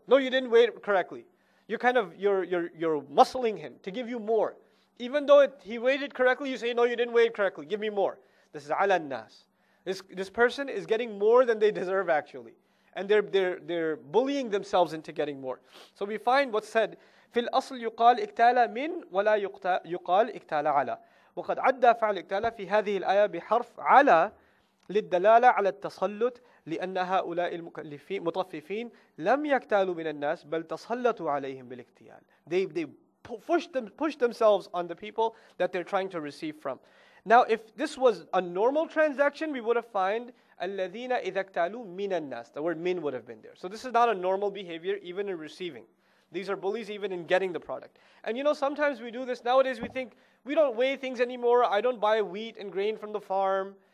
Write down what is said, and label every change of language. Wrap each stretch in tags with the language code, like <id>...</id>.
<en>No, you didn't weigh it correctly. You're muscling him to give you more. Even though he weighed it correctly, you say, no, you didn't weigh it correctly. Give me more. This is ala nas. This person is getting more than they deserve, actually. And they're bullying themselves into getting more.</en> <ar>So we find what's said, في الأصل يقال اكتالا من ولا يقال اكتالا على وقد عدى فعل اكتالا في هذه الآية بحرف على للدلالة على التسلط لأن هؤلاء المطففين لم يكتالوا من الناس بل تسلطوا عليهم بالاكتيال</ar> <en>They push themselves on the people that they're trying to receive from. Now if this was a normal transaction, we would have found</en> <ar>الذين إذا اكتالوا من الناس.</ar> <en>The word من would have been there. So this is not a normal behavior even in receiving. These are bullies even in getting the product. And you know, sometimes we do this. Nowadays we think, we don't weigh things anymore. I don't buy wheat and grain from the farm.</en>